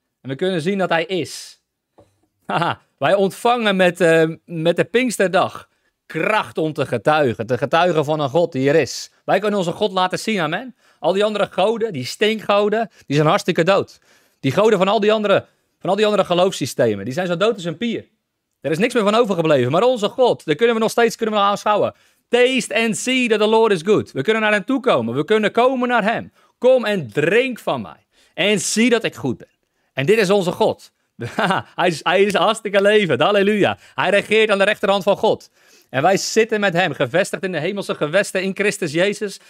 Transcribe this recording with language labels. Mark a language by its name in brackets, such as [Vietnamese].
[Dutch] En we kunnen zien dat hij is. Wij ontvangen met de Pinksterdag kracht om te getuigen. Te getuigen van een God die er is. Wij kunnen onze God laten zien, amen. Al die andere goden, die steengoden, die zijn hartstikke dood. Die goden van al die andere geloofssystemen, die zijn zo dood als een pier. Er is niks meer van overgebleven. Maar onze God, daar kunnen we nog steeds aanschouwen. [English] Taste and see that the Lord is good. [Dutch] We kunnen naar hem toe komen. We kunnen komen naar hem. Kom en drink van mij. En zie dat ik goed ben. En dit is onze God. hij is hartstikke levend. Halleluja. Hij regeert aan de rechterhand van God. En wij zitten met hem, gevestigd in de hemelse gewesten in Christus Jezus.